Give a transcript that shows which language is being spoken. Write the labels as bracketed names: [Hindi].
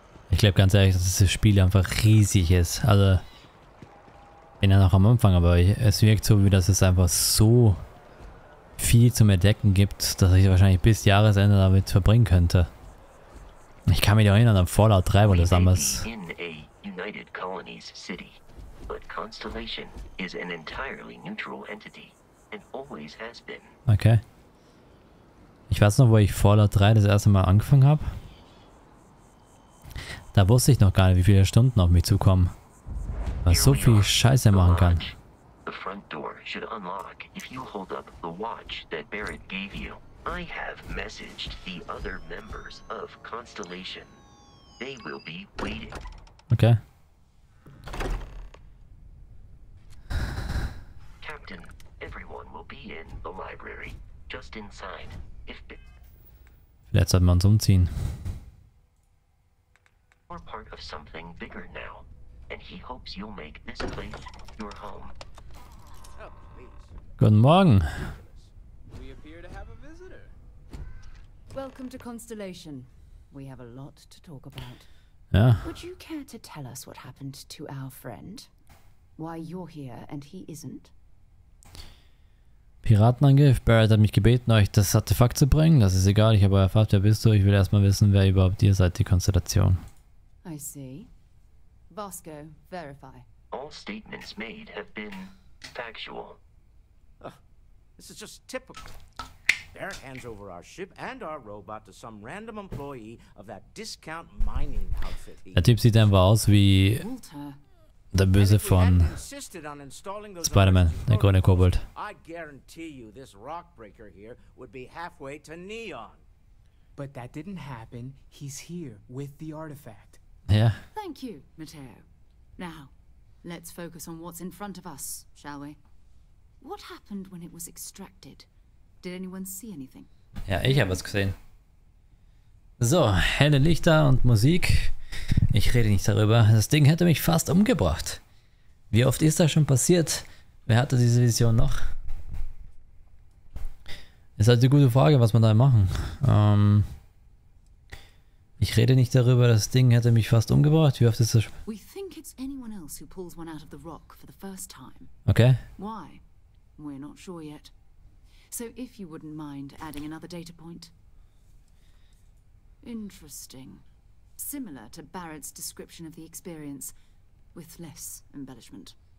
[German] Ich glaube ganz ehrlich, dass dieses Spiel einfach riesig ist. Also, bin ja noch am Anfang, aber es wirkt so, wie dass es einfach so viel zum Entdecken gibt, dass ich wahrscheinlich bis Jahresende damit verbringen könnte. Ich kann mich doch erinnern an Fallout 3, wo das damals... [English] United Colonies City, but Constellation is an entirely neutral entity and always has been. Okay. [German] Ich weiß noch, wo ich Fallout 3 das erste Mal angefangen habe. Da wusste ich noch gar nicht, wie viele Stunden auf mich zukommen. Was so viel Scheiße machen kann. [English] The front door should unlock if you hold up the watch that Barrett gave you. I have messaged the other members of Constellation. They will be waiting. Okay. Captain, everyone will be in the library, just inside. If [German] vielleicht sollten wir uns umziehen. [English] We're part of something bigger now, and he hopes you'll make this place your home. [German] Guten Morgen. [English] We appear to have a visitor. Welcome to Constellation. We have a lot to talk about. [German] Ja. [English] Would you care to tell us what happened to our friend? Why you're here and he isn't? [German] Piratenangriff. Barrett hat mich gebeten, euch das Artefakt zu bringen. Das ist egal, ich habe erfahrt, wer bist du? Ich will erstmal wissen, wer überhaupt ihr seid, die Konstellation. [English] I see. Bosco, verify. All statements made have been factual. This is just typical. Barrett hands over our ship and our robot to some random employee of that discount mining outfit. [German] Der Typ sieht einfach aus wie der Böse von Spider-Man, der grüne Kobold. [English] I guarantee you this rockbreaker here would be halfway to Neon. But that didn't happen. He's here with the artifact. Yeah. Thank you, Mateo. Now, let's focus on what's in front of us, shall we? What happened when it was extracted? Did anyone see anything? [German] Ja, ich habe was gesehen. So, helle Lichter und Musik. Ich rede nicht darüber. Das Ding hätte mich fast umgebracht. Wie oft ist das schon passiert? Wer hatte diese Vision noch? Ist halt die gute Frage, was wir da machen. Ich rede nicht darüber. Das Ding hätte mich fast umgebracht. Wie oft ist das schon? [English] We think it's anyone else who pulls one out of the rock for the first time. Okay. Why? We're not sure yet. So if you wouldn't mind adding another data point. Interesting. Similar to Barrett's description of the experience, with less embellishment.